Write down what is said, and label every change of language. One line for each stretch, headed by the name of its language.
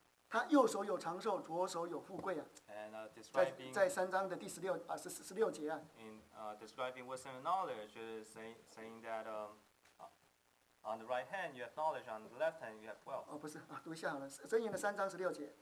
Chinese: 那个智慧跟知识，圣经讲说，他右手有长寿，左手有富贵。智慧跟知识啊，他右手有长寿，左手有富贵啊。在3章的第16节啊。
English: In describing wisdom and knowledge, it is saying that on the right hand you have knowledge, on the left hand you have wealth.
Chinese: 哦，不是啊，读一下好了，箴言的3章16节。